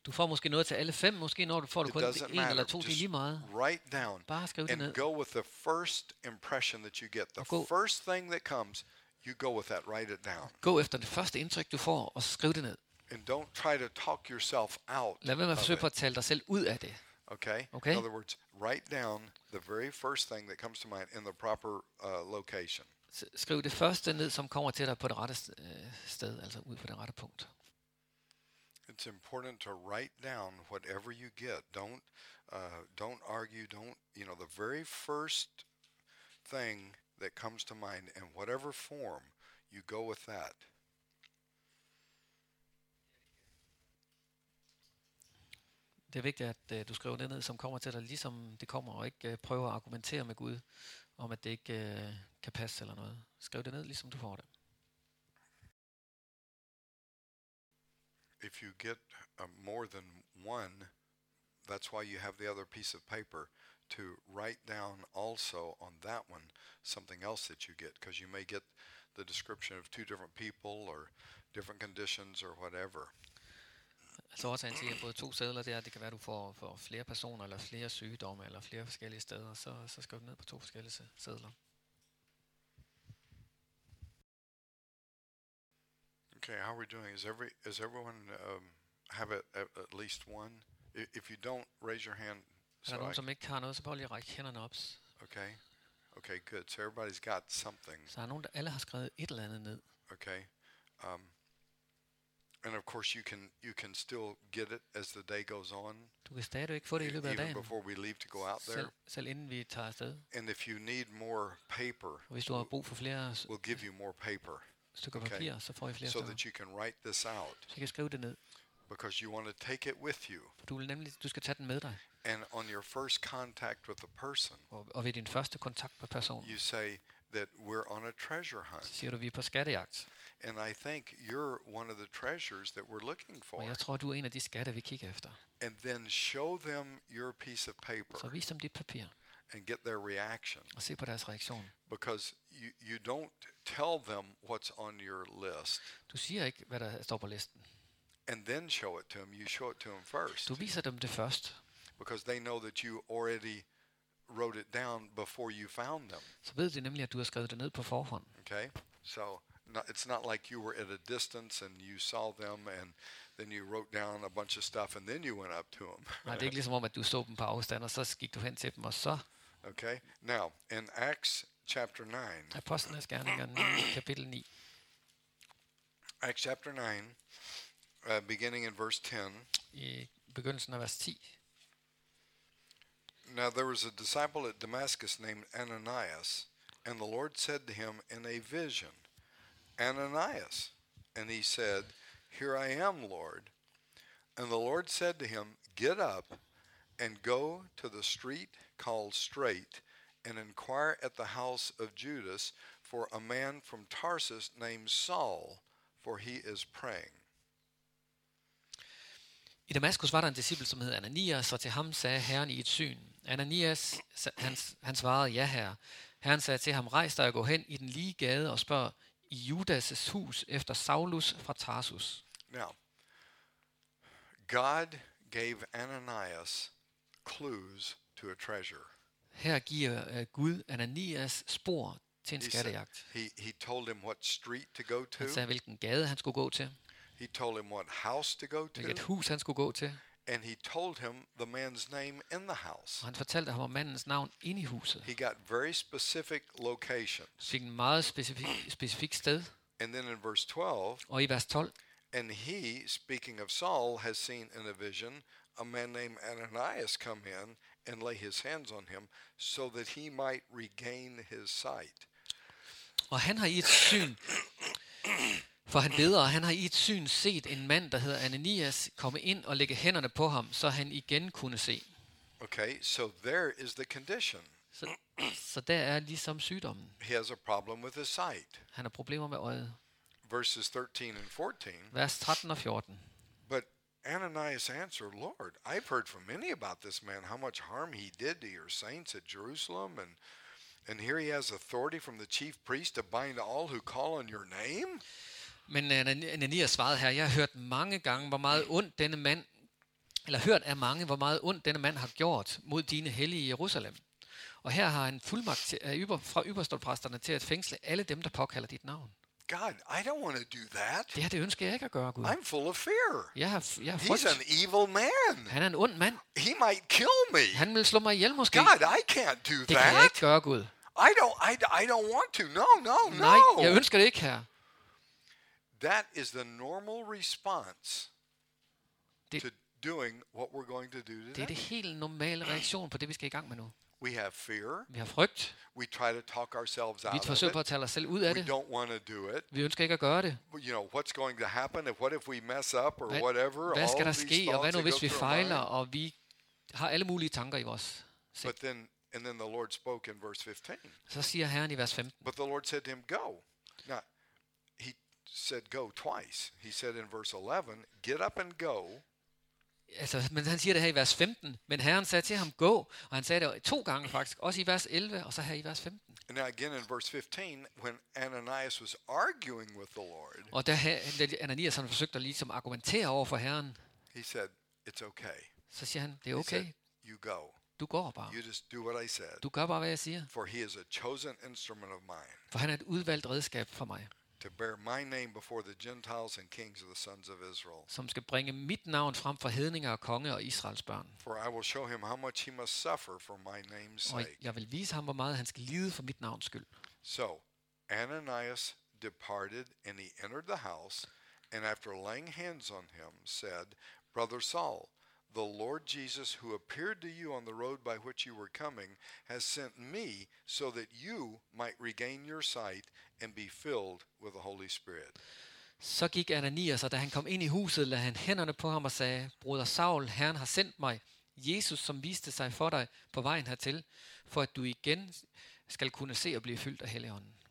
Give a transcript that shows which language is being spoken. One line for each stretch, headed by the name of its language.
Danish: Du får måske noget til alle 5. Måske når du får det kun 1 eller 2, det er lige meget.
English: Write down.
Danish: Bare skriv det ned.
English: And go with the first impression that you get. The first thing that comes, you go with that. Write it down.
Danish: Gå efter det første indtryk du får og skriv det ned.
English: And don't try to talk yourself out.
Danish: Lad være med at forsøge at tale dig selv ud af det.
English: Okay. In other words, write down the very first thing that comes to mind in the proper location.
Danish: Skriv det første ned, som kommer til dig på det rette sted, altså ud på det rette punkt.
English: It's important to write down whatever you get. Don't argue. Don't, you know, the very first thing that comes to mind in whatever form, you go with that.
Danish: Det er vigtigt, at du skriver det ned, som kommer til dig, ligesom det kommer, og ikke prøver at argumentere med Gud, om at det ikke kan passe eller noget. Skriv det ned, ligesom du får det.
English: If you get more than one, that's why you have the other piece of paper, to write down also on that one something else that you get, because you may get the description of 2 different people, or different conditions, or whatever.
Danish: Så også han siger, at både 2 sædler, det er, det kan være, at du får flere personer, eller flere sygdomme, eller flere forskellige steder, så skal du ned på 2 forskellige sædler.
English: Okay, how are we doing? Is everyone have at least one? If you don't, raise your hand.
Danish: Er der nogen, som ikke har noget, så prøv lige at række hænderne op.
English: Okay, good. So everybody's got something.
Danish: Så er nogen, der alle har skrevet et eller andet ned.
English: Okay. And of course you can still get it as the day goes on.
Danish: Du kan stadigvæk få det i løbet af
English: even
Danish: dagen.
English: Even before we leave to go out there.
Danish: Selv inden vi tager afsted.
English: And if you need more paper.
Danish: Og hvis du har brug for flere,
English: we'll give you more paper.
Danish: Stykker papir, så får I flere.
English: So that you can write this out.
Danish: Så kan skrive det ned.
English: Because you want to take it with you.
Danish: Du skal tage den med dig.
English: And on your first contact with a person.
Danish: Og ved din første kontakt med personen.
English: You say that we're on a treasure hunt.
Danish: Siger du, vi er på skattejagt.
English: And I think you're one of the treasures that we're looking for.
Danish: Og jeg tror, du er en af de skatter, vi kigger efter.
English: And then show them your piece of paper.
Danish: Så vis dem dit papir.
English: And get their reaction.
Danish: Og se på deres reaktion.
English: Because you don't tell them what's on your list.
Danish: Du siger ikke, hvad der står på listen.
English: And then show it to them. You show it to them first.
Danish: Du viser dem det først.
English: Because they know that you already wrote it down before you found them.
Danish: Så ved de nemlig, at du har skrevet det ned på forhånd.
English: Okay, so. No, it's not like you were at a distance and you saw them and then you wrote down a bunch of stuff and then you went up to them.
Danish: Nej, det er ikke ligesom om, at du så dem på afstand, og så gik du hen til dem, og så.
English: Okay. Now, in Acts chapter 9.
Danish: Apostlenes gerninger, kapitel 9.
English: Acts chapter 9, beginning in verse 10.
Danish: I begyndelsen af vers 10.
English: Now, there was a disciple at Damascus named Ananias, and the Lord said to him in a vision, Ananias. And he said, Here I am, Lord. And the Lord said to him, Get up and go to the street called Straight and inquire at the house of Judas for a man from Tarsus named Saul, for he is praying.
Danish: I Damaskus var der en disciple, som hed Ananias, og til ham sagde Herren i et syn. Ananias, han svarede, ja, herre. Herren sagde til ham, rejs dig og gå hen i den lige gade og spørg, i Judas' hus efter Saulus fra Tarsus.
English: Now, God gave Ananias clues to a treasure.
Danish: Her giver Gud Ananias spor til en skattejagt.
English: He told him what street to go to.
Danish: Han sagde, hvilken gade han skulle gå til.
English: He told him what house to go to.
Danish: Hvilket hus han skulle gå til.
English: And he told him the man's name in the house.
Danish: Han fortalte ham om mandens navn inde i huset.
English: He got very specific locations.
Danish: Fik en meget specifik sted.
English: And then in verse 12.
Danish: Og i vers 12.
English: And he, speaking of Saul, has seen in a vision a man named Ananias come in and lay his hands on him so that he might regain his sight.
Danish: Og han har i et syn, for han beder, han har i et syn set en mand, der hedder Ananias, komme ind og lægge hænderne på ham, så han igen kunne se.
English: Okay, so there is the condition.
Danish: Så der er ligesom sygdommen.
English: He has a problem with his sight.
Danish: Han har problemer med øjet.
English: Verses 13 and 14.
Danish: Vers 13 og 14.
English: But Ananias answered, Lord, I've heard from many about this man, how much harm he did to your saints at Jerusalem, and here he has authority from the chief priest to bind all who call on your name.
Danish: Men Ananias svarede, her, jeg har hørt mange gange, hvor meget ondt denne mand, eller hørt af mange, hvor meget ondt denne mand har gjort mod dine hellige Jerusalem. Og her har han fuldmagt fra ypperstepræsterne til at fængsle alle dem, der påkalder dit navn.
English: God, I don't want to do that.
Danish: Det her, det ønsker jeg ikke at gøre, Gud.
English: I'm full of fear.
Danish: Jeg har frygt.
English: He's an evil man.
Danish: Han er en ond mand.
English: He might kill me.
Danish: Han vil slå mig ihjel måske.
English: God, I can't do that.
Danish: Det kan jeg ikke gøre, Gud.
English: I don't want to. No, no, no.
Danish: Nej, jeg ønsker det ikke, her.
English: That is the normal response to doing what we're going to do today.
Danish: Det er det helt normale reaktion på det, vi skal i gang med nu.
English: We have fear.
Danish: Vi har frygt.
English: We try to talk ourselves out of it.
Danish: Vi forsøger at tale os selv ud af det.
English: We don't want to do it.
Danish: Vi ønsker ikke at gøre det.
English: But you know what's going to happen? What if we mess up or whatever?
Danish: Hvad skal der ske? Og hvad nu hvis vi fejler og vi har alle mulige tanker i vores sind?
English: But then the Lord spoke in verse 15.
Danish: Så siger Herren i vers 15.
English: But the Lord said to him, "Go." Now, he said go twice. He said in verse 11, "Get up and go."
Danish: Altså, men han siger det her i vers 15, men Herren sagde til ham, gå, og han sagde det to gange faktisk, også i vers 11, og så her i vers 15.
English: And now again in verse 15, when Ananias was arguing with the Lord,
Danish: og da Ananias han forsøgte at ligesom argumentere over for Herren,
English: he said, it's okay.
Danish: Så siger han, det er okay.
English: He said, you go.
Danish: Du går bare.
English: You just do what I said.
Danish: Du gør bare, hvad jeg siger.
English: For he is a chosen instrument of mine.
Danish: For han er et udvalgt redskab for mig.
English: To bear my name before the Gentiles and kings of the sons of Israel.
Danish: Som skal bringe mit navn frem for hedninger og konge og Israels børn.
English: For I will show him how much he must suffer for my name's sake.
Danish: Og jeg vil vise ham, hvor meget han skal lide for mit navns skyld.
English: So Ananias departed and he entered the house and after laying hands on him said, Brother Saul, the Lord Jesus who appeared to you on the road by which you were coming has sent me so that you might regain your sight and be filled with the Holy Spirit.
Danish: Så gik Ananias, og da han kom ind i huset, lagde han hænderne på ham og sagde, Broder Saul, Herren har sendt mig, Jesus, som viste sig for dig på vejen hertil, for at du igen skal kunne se og blive fyldt af Helligånden.